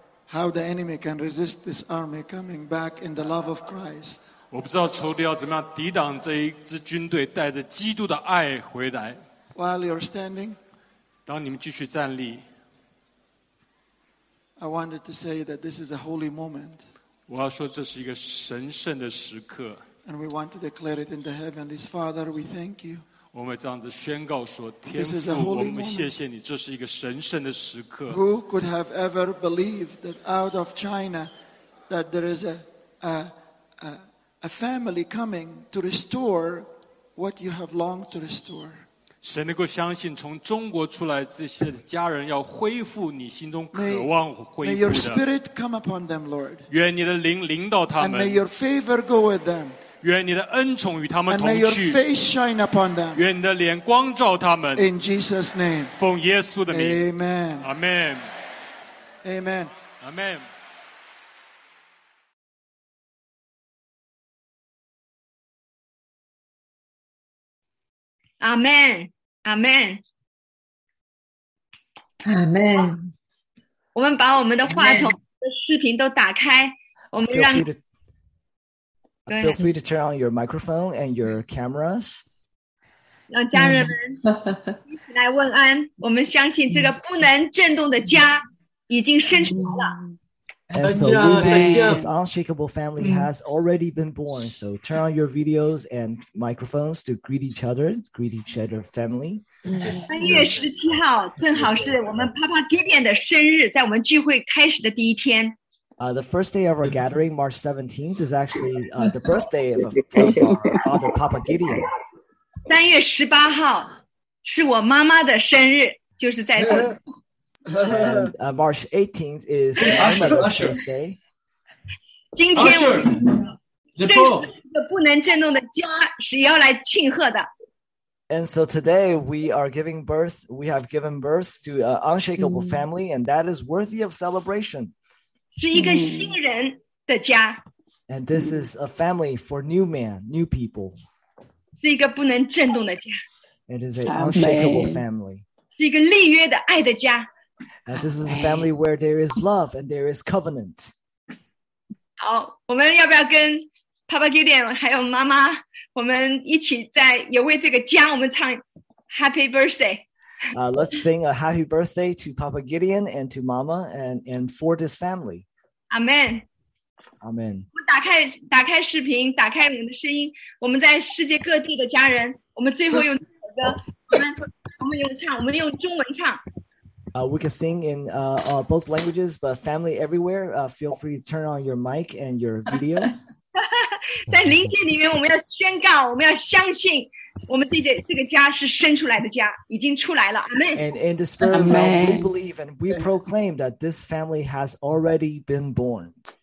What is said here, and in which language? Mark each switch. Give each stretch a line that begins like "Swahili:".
English: Can resist this army coming back in the love of Christ.
Chinese: 我不知道仇敌要怎么样抵挡这一支军队带着基督的爱回来。
English: While you're standing,
Chinese: 当你们继续站立
English: I wanted to say that this is a holy moment.
Chinese: 我要说这是一个神圣的时刻。
English: And we want to declare it in the heavenlies. Father, we thank you.
Chinese: 我们这样子宣告说天父我们谢谢你这是一个神圣的时刻
English: Who could have ever believed that out of China that there is a family coming to restore what you have longed to restore
Chinese: 谁能够相信从中国出来这些家人要恢复你心中渴望恢复的
English: May your spirit come upon them Lord
Chinese: 愿你的灵临到他们
English: And may your favor go with them
Chinese: 愿你的恩宠与他们同去
English: And may your face shine upon them.
Chinese: 愿你的脸光照他们
English: In Jesus' name.
Chinese: 奉耶稣的名
English: Amen. Amen. Amen. Amen. Amen. Amen. Amen.
Chinese: 我们把我们的话筒的视频都打开我们让
English: Feel free to turn on your microphone and your cameras.
Chinese: 让家人们一起来问安。我们相信这个不能震动的家已经生出来了。
English: And so this unshakable family has already been born. So turn on your videos and microphones to greet each other family.
Chinese: 3月17号正好是我们 Papa Gideon 的生日在我们聚会开始的第一天。
English: The first day of our gathering, March 17th, is actually the birthday of our father, Papa Gideon.
Chinese: 3月18号是我妈妈的生日，就是在这。
English: And March 18th is my mother's birthday.
Chinese: 今天我们不能震动的家是要来庆贺的。
English: And so today we have given birth to an unshakable family, and that is worthy of celebration.
Chinese: 是一个新人的家
English: And this is a family for new man, new people.
Chinese: 是一个不能震动的家
English: It is an unshakable family.
Chinese: 是一个立约的爱的家
English: And this is a family where there is love and there is covenant.
Chinese: 好我们要不要跟 Papa Gideon 还有妈妈我们一起在也为这个家我们唱
English: Happy Birthday. Let's sing a happy birthday to Papa Gideon and to Mama and for this family. Amen. Amen.
Chinese: 我们打开视频，打开我们的声音。我们在世界各地的家人，我们最后用这首歌，我们用唱，我们用中文唱。
English: We can sing in both languages, but family everywhere, feel free to turn on your mic and your video.
Chinese: 在灵界里面，我们要宣告，我们要相信。我们这个家是生出来的家，已经出来了。
English: Amen. And in the spirit of God, we believe and we proclaim that this family has already been born.